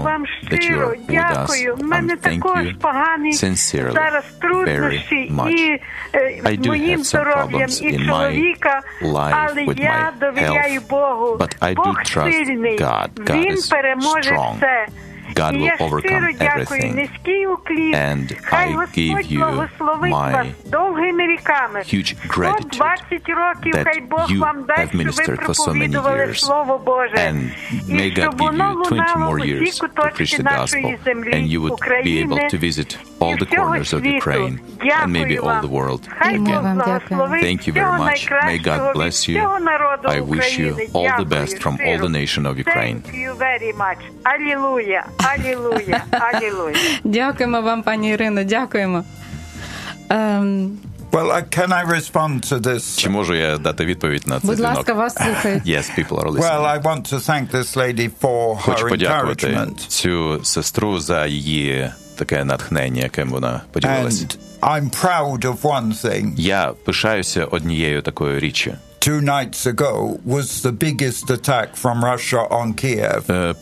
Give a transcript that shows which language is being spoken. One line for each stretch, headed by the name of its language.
Ukrainian: вам щиро, дякую. У мене також погані зараз труднощі і моїм здоров'ям, і чоловіка, але я довіряю Богу. Бог сильний, Він переможе все.
English: God will overcome everything. And I give you my huge gratitude that you have ministered for so many years. And may God give you 20 more years to preach the gospel and you would be able to visit all the corners of Ukraine and maybe all the world again. Thank you very much. May God bless you. I wish you all the best from all the nation of Ukraine. Thank you very much. Аллилуйя. Аллилуйя. Аллилуйя.
Ukrainian: Дякуємо вам, пані Ірино. Дякуємо.
English: Well, can I respond to this?
Ukrainian: Чи можу я дати відповідь на це? Будь ласка, вас слухають.
English: Yes, people are listening. Well, I want to thank this lady for her encouragement.
Ukrainian: Хочу подякувати цю сестру за її таке натхнення, яким вона поділилась.
English: And I'm proud of one thing.
Ukrainian: Я пишаюся однією такою річчю.
English: Two nights ago was the biggest attack from Russia on Kiev.